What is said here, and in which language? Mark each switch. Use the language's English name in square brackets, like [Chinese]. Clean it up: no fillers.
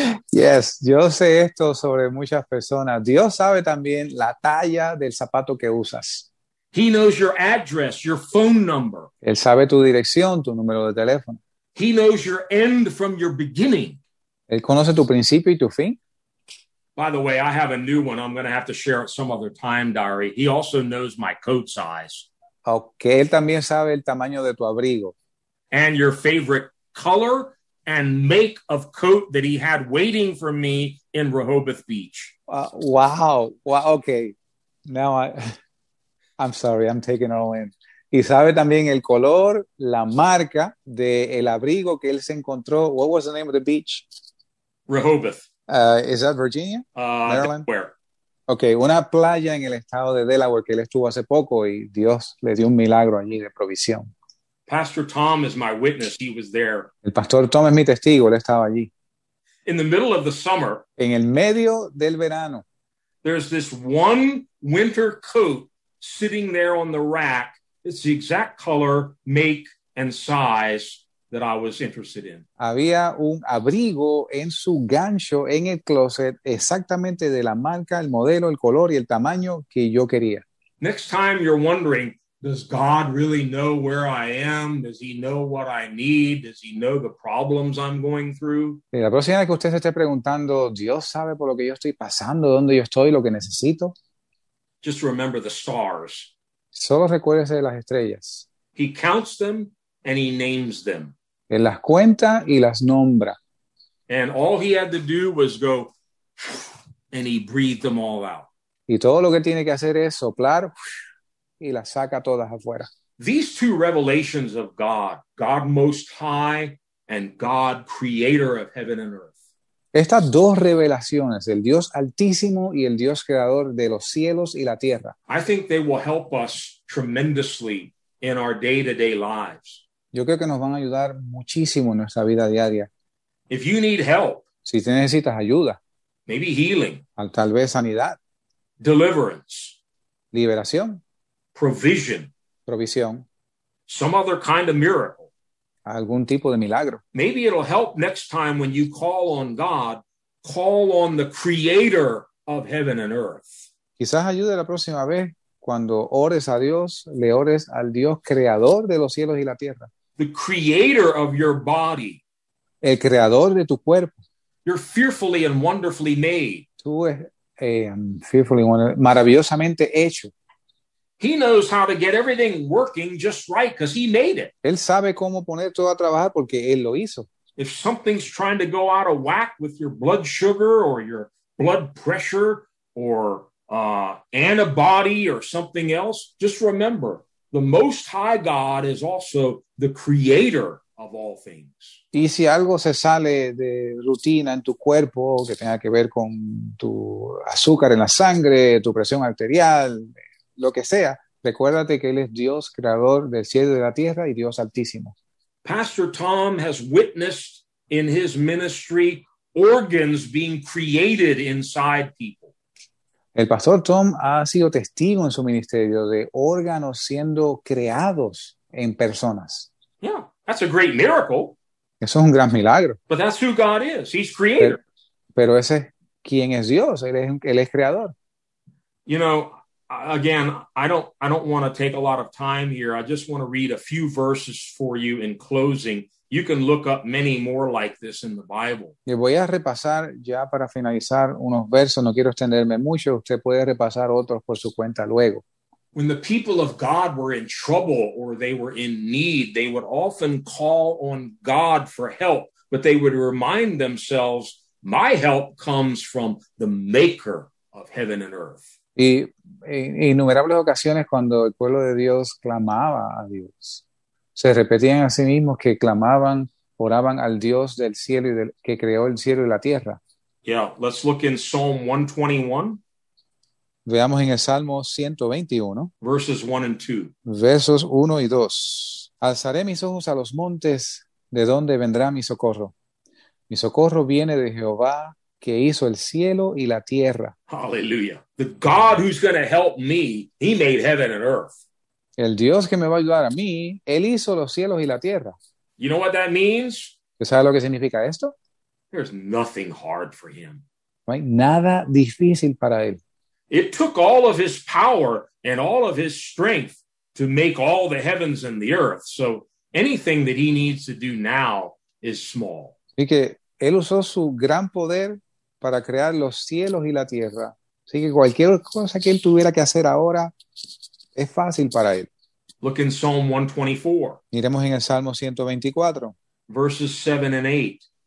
[Spanish] Yes, yo sé esto sobre muchas personas. Dios sabe también la talla del zapato que usas. [English] He knows your address, your phone number. [Spanish] Él sabe tu dirección, tu número de teléfono. [English] He knows your end from your beginning. [Spanish] Él conoce tu principio y tu fin. [English] By the way, I have a new one. I'm going to have to share it some other time, Diary. He also knows my coat size. [Spanish] Okay, él también sabe el tamaño de tu abrigo. [English] And your favorite color and make of coat that he had waiting for me in Rehoboth Beach. Wow, okay. Now I'm sorry, I'm taking it all in. [Spanish] Y sabe también el color, la marca de el abrigo que él se encontró. [English] What was the name of the beach? Rehoboth. Is that Virginia? Maryland? Where? [Spanish] Okay, una playa en el estado de Delaware que él estuvo hace poco y Dios le dio un milagro allí de provisión. [English] Pastor Tom is my witness. He was there. [Spanish] El pastor Tom es mi testigo. Él estaba allí. [English] In the middle of the summer. [Spanish] En el medio del verano. [English] There's this one winter coat sitting there on the rack. It's the exact color, make, and size that I was interested in. [Spanish] Había un abrigo en su gancho en el closet, exactamente de la marca, el modelo, el color y el tamaño que yo quería. [English] Next time you're wondering, does God really know where I am? Does he know what I need? Does he know the problems I'm going through? [Spanish] Y la próxima vez que usted se esté preguntando, ¿Dios sabe por lo que yo estoy pasando, dónde yo estoy, lo que necesito? [English] Just remember the stars. [Spanish] Solo recuérdese de las estrellas. [English] He counts them and he names them. [Spanish] Él las cuenta y las nombra. [English] And all he had to do was go and he breathed them all out. [Spanish] Y todo lo que tiene que hacer es soplar y las saca todas afuera. [English] These two revelations of God, God Most High and God Creator of Heaven and Earth. [Spanish] Estas dos revelaciones, el Dios Altísimo y el Dios Creador de los cielos y la tierra. [English] I think they will help us tremendously in our day-to-day lives. [Spanish] Yo creo que nos van a ayudar muchísimo en nuestra vida diaria. [English] If you need help, [Spanish] si te necesitas ayuda, [English] maybe healing, [Spanish] tal vez sanidad, [English] deliverance, [Spanish] liberación, [English] provision, [Spanish] provisión, [English] some other kind of miracle, [Spanish] algún tipo de milagro. [English] Maybe it'll help next time when you call on God, call on the creator of heaven and earth. [Spanish] Quizás ayude la próxima vez cuando ores a Dios, le ores al Dios creador de los cielos y la tierra. [English] The creator of your body. [Spanish] El creador de tu cuerpo. [English] You're fearfully and wonderfully made. [Spanish] Tú es [English] fearfully, [Spanish] maravillosamente hecho. [English] He knows how to get everything working just right because he made it. [Spanish] Él sabe cómo poner todo a trabajar porque él lo hizo. [English] If something's trying to go out of whack with your blood sugar or your blood pressure or antibody or something else, just remember, the Most High God is also the creator of all things. [Spanish] Y si algo se sale de rutina en tu cuerpo que tenga que ver con tu azúcar en la sangre, tu presión arterial, lo que sea, recuérdate que él es Dios creador del cielo y de la tierra y Dios altísimo. [English] Pastor Tom has witnessed in his ministry organs being created inside people. [Spanish] El pastor Tom ha sido testigo en su ministerio de órganos siendo creados en personas. [English] Yeah, That's a great miracle. [Spanish] Eso es un gran milagro. [English] But that's who God is. He's creator. [Spanish] Pero ese es quien es Dios. Él es creador. [English] You know, again, I don't want to take a lot of time here. I just want to read a few verses for you in closing. You can look up many more like this in the Bible. [Spanish] Y voy a repasar ya para finalizar unos versos. No quiero extenderme mucho. Usted puede repasar otros por su cuenta luego. [English] When the people of God were in trouble or they were in need, they would often call on God for help, but they would remind themselves, my help comes from the maker of heaven and earth. [Spanish] Y en innumerables ocasiones cuando el pueblo de Dios clamaba a Dios, se repetían a sí mismos que clamaban, oraban al Dios del cielo y del, que creó el cielo y la tierra. [English] Yeah, let's look in Psalm 121. [Spanish] Veamos en el Salmo 121. [English] Verses 1 and 2. [Spanish] Versos 1 y 2. Alzaré mis ojos a los montes, ¿de dónde vendrá mi socorro? Mi socorro viene de Jehová, que hizo el cielo y la tierra. [English] Hallelujah. The God who's going to help me, he made heaven and earth. [Spanish] El Dios que me va a ayudar a mí, él hizo los cielos y la tierra. [English] You know what that means? [Spanish] ¿Sabe lo que significa esto? [English] There's nothing hard for him. [Spanish] No hay nada difícil para él. [English] It took all of his power and all of his strength to make all the heavens and the earth. So anything that he needs to do now is small. [Spanish] Así que él usó su gran poder para crear los cielos y la tierra. Así que cualquier cosa que él tuviera que hacer ahora es fácil para él. [English] Look in Psalm 124. [Spanish] Miremos en el Salmo 124. [English] Verses 7 and 8.